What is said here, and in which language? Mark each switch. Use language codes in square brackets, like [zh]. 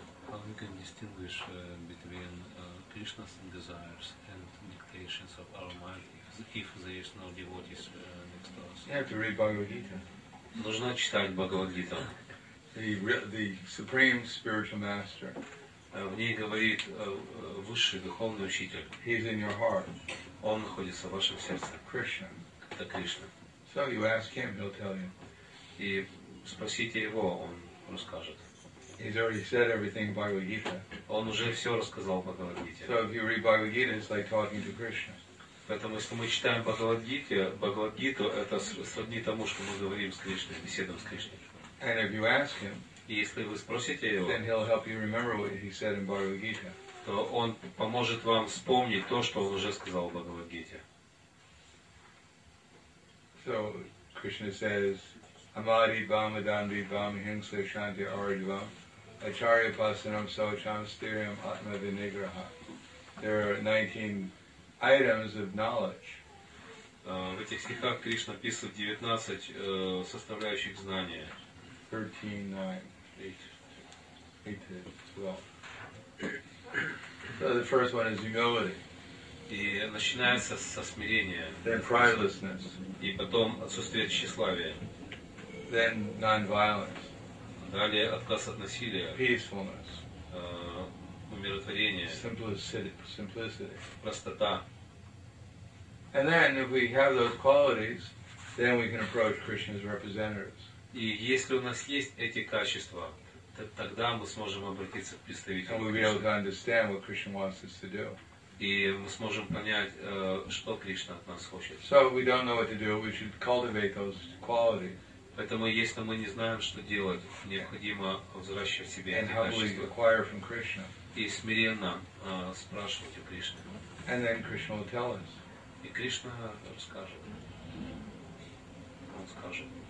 [en] How we can distinguish between Krishna's desires and dictations of our mind if there is no devotees next to us? You have to read Bhagavad Gita. [ru] Нужно читать Бхагавад Гита. [en] The supreme spiritual master. [ru] В ней говорит высший духовный учитель. [en] He's in your heart. [ru] Он находится в вашем сердце. [en] Krishna. [ru] Это Кришна. [en] So you ask him, he'll tell you. [ru] И спросите его, он расскажет. [en] He's already said everything in Bhagavad Gita. [ru] Он уже все рассказал Бхагавад Гите. [en] So if you read Bhagavad Gita, it's like talking to Krishna. [ru] Поэтому если мы читаем Бхагавад Гиту, Бхагавад Гиту это сродни тому, что мы говорим с Кришной, беседуем с Кришной. [en] And if you ask him, [ru] если вы спросите его, [en] then he'll help you remember what he said in Bhagavad Gita. [ru] То он поможет вам вспомнить то, что он уже сказал в Бхагавад Гите. [en] So Krishna says, [sa] Amadi Bhama Dandi Bhama Hingsa Shanti Arjava. Acharya Pasanam Sochan Stiriam Atma Vinigraha. [en] There are 19 items of knowledge. [ru] В этих стихах Кришна описывает 19 составляющих знания. [en] 13, 9, 8 to 12. So the first one is humility. [ru] И начинается со смирения. [en] Then pridelessness. [ru] И потом отсутствие тщеславия. [en] Then non-violence. [ru] Далее отказ от насилия, [en] peacefulness, [ru] умиротворение, [en] simplicity, [ru] простота. [en] And then, if we have those qualities, then we can approach Krishna's representatives. [ru] И если у нас есть эти качества, тогда мы сможем обратиться к представителям. [en] And we'll be able to understand what Krishna wants us to do. [ru] И мы сможем понять, что Кришна от нас хочет. [en] So if we don't know what to do, we should cultivate those qualities. [ru] Поэтому, если мы не знаем, что делать, необходимо взращивать себе [en] and [ru] эти качества. И смиренно спрашивать у Кришны. [en] And then Krishna will tell us. [ru] И Кришна расскажет. Он скажет.